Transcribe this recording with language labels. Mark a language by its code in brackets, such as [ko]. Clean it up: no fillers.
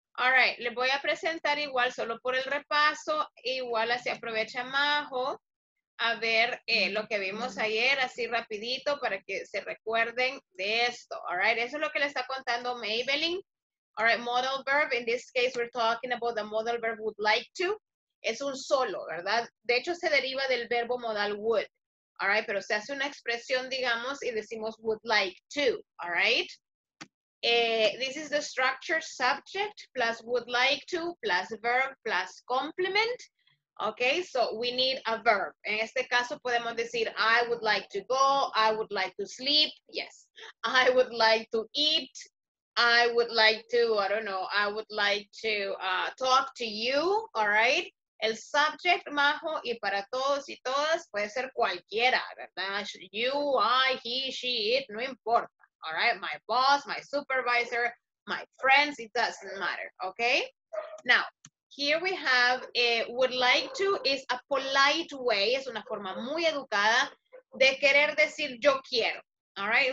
[es] All right, les voy a presentar igual, solo por el repaso, igual así aprovecha Majo, a ver lo que vimos ayer, así rapidito, para que se recuerden de esto. All right, eso es lo que le está contando Maybelline. [en] All right, modal verb, in this case we're talking about the modal verb would like to. [es] Es un solo, ¿verdad? De hecho, se deriva del verbo modal would. All right, pero se hace una expresión, digamos, y decimos would like to. All right. [en] This is the structure subject plus would like to plus verb plus complement. Okay, so we need a verb. [es] En este caso podemos decir, [en] I would like to go, I would like to sleep, yes. I would like to eat, I would like to, I don't know, I would like to talk to you, all right? [es] El subject, Majo, y para todos y todas puede ser cualquiera, ¿verdad? [en] You, I, he, she, it, [es] no importa. [en] All right, my boss, my supervisor, my friends, it doesn't matter, okay? Now, here we have a would like to is a polite way, [es] es una forma muy educada de querer decir yo quiero, [en] all right?